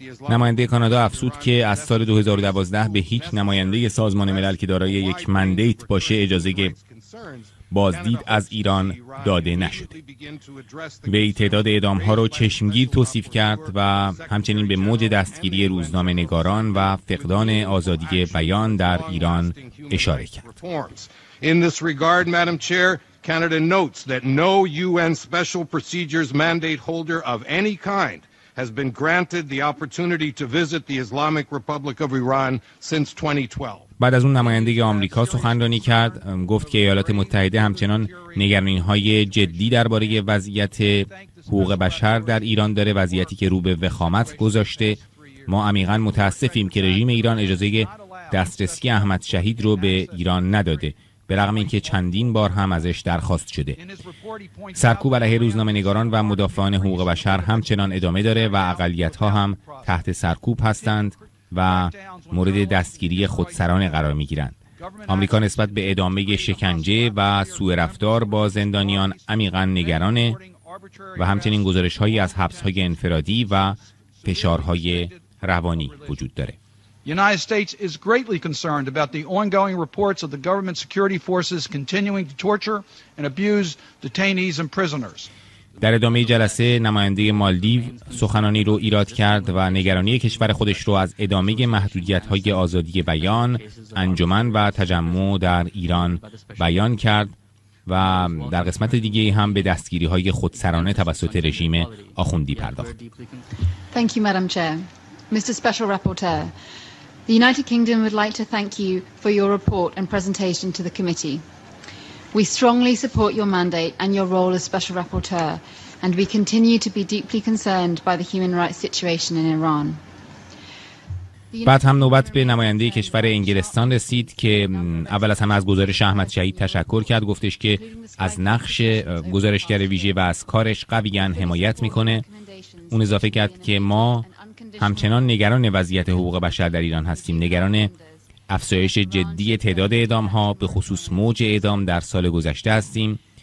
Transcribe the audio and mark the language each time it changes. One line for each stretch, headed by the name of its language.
Persian: نماینده کانادا افسود که از سال 2012 به هیچ نماینده سازمان ملل که دارای یک مندیت باشه اجازه بازدید از ایران داده نشده. به تعداد اعدام ها رو چشمگیر توصیف کرد و همچنین به موج دستگیری روزنامه نگاران و فقدان آزادی بیان در ایران اشاره کرد.
English: Canada notes that no UN special procedures mandate holder of any kind has been granted the opportunity to visit the Islamic Republic of Iran since 2012.
Persian: بعد از اون نماینده آمریکا سخنرانی کرد، گفت که ایالات متحده همچنان نگرانی‌های جدی درباره وضعیت حقوق بشر در ایران داره، وضعیتی که رو به وخامت گذاشته. ما عمیقا متاسفیم که رژیم ایران اجازه دسترسی احمد شهید رو به ایران نداده، به رغم اینکه چندین بار هم ازش درخواست شده. سرکوب علیه روزنامه نگاران و مدافعان حقوق بشر همچنان ادامه داره و اقلیت‌ها هم تحت سرکوب هستند و مورد دستگیری خودسرانه قرار می‌گیرند. آمریکا نسبت به ادامه شکنجه و سوء رفتار با زندانیان عمیقا نگرانه و همچنین گزارش‌هایی از حبس‌های انفرادی و فشارهای روانی وجود داره.
English: United States is greatly concerned about the ongoing reports of the government security forces continuing to torture and abuse detainees and prisoners.
Persian: در ادامه جلسه نماینده مالدیو سخنانی رو ایراد کرد و نگرانی کشور خودش رو از ادامه محدودیت‌های آزادی بیان، انجمن و تجمع در ایران بیان کرد و در قسمت دیگه هم به دستگیری‌های خودسرانه توسط رژیم آخوندی پرداخت.
English: Thank you, Madam Chair. Mr. Special Rapporteur, the United Kingdom would like to thank you for your report and presentation to the committee. We strongly support your mandate and your role as Special Rapporteur, and we continue to be deeply concerned by the human rights situation in Iran.
Persian: بعد هم نوبت به نماینده کشور انگلستان رسید که اول از همه از گزارش احمد شهید تشکر کرد، گفتش که از نقش گزارشگر ویژه و از کارش قویاً حمایت میکنه. اون اضافه کرد که ما همچنان نگران وضعیت حقوق بشر در ایران هستیم، نگران افزایش جدی تعداد اعدام ها به خصوص موج اعدام در سال گذشته هستیم.